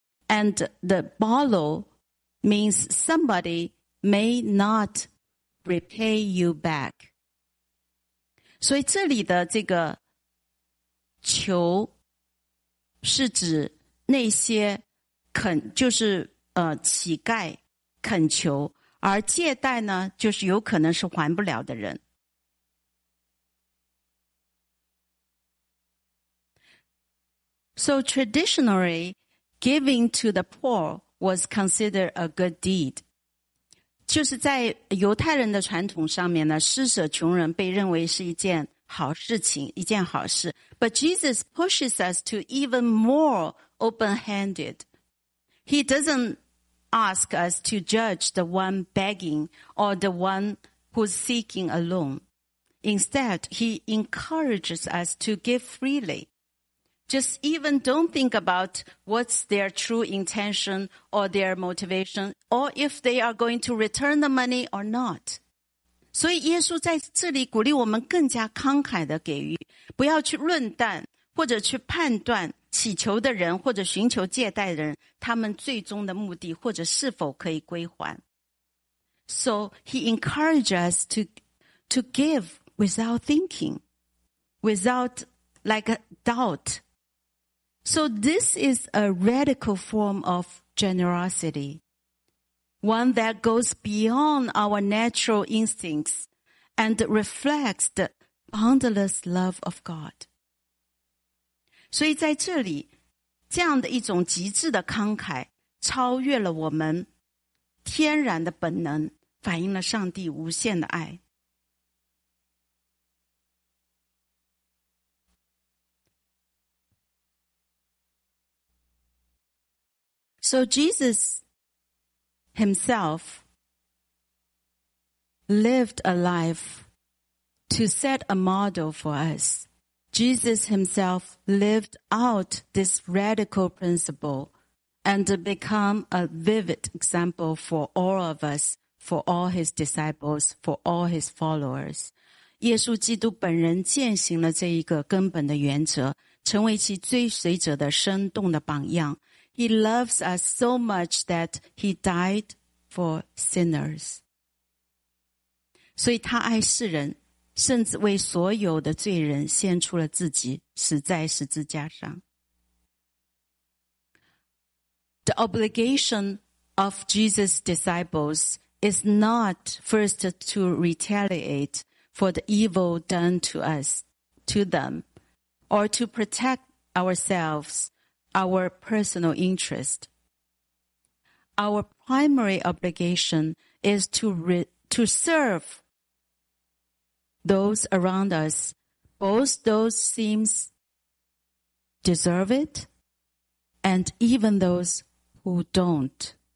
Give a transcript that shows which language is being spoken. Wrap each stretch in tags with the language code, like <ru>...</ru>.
<en>And the borrow means somebody may not repay you back.</en> <zh>所以这里的这个求是指那些恳，就是乞丐恳求，而借贷呢，就是有可能是还不了的人。</zh> <en>So traditionally,giving to the poor was considered a good deed.</en> <zh>就是在犹太人的传统上面呢，施舍穷人被认为是一件好事情，一件好事。</zh> <en>But Jesus pushes us to even more open-handed. He doesn't ask us to judge the one begging or the one who's seeking a loan. Instead, he encourages us to give freely. Just even don't think about what's their true intention or their motivation or if they are going to return the money or not.</en> <zh>所以耶稣在这里鼓励我们更加慷慨的给予，不要去论断或者去判断祈求的人或者寻求借贷的人他们最终的目的或者是否可以归还。</zh> <en>So he encourages us to give without thinking, without like a doubt. So this is a radical form of generosity. One that goes beyond our natural instincts and reflects the boundless love of God.</en> <zh>所以在这里，这样的一种极致的慷慨超越了我们天然的本能，反映了上帝无限的爱。</zh> <en>So Jesus... himself lived a life to set a model for us. Jesus himself lived out this radical principle and become a vivid example for all of us, for all his disciples, for all his followers.</en> <zh>耶稣基督本人践行了这一个根本的原则，成为其追随者的生动的榜样。</zh> <en>He loves us so much that he died for sinners.</en> <zh>所以他爱世人，甚至为所有的罪人献出了自己，死在十字架上。</zh> <en>The obligation of Jesus' disciples is not first to retaliate for the evil done to us, to them, or to protect ourselves. Our personal interest. Our primary obligation is to serve those around us, both those seems deserve it and even those who don't.</en>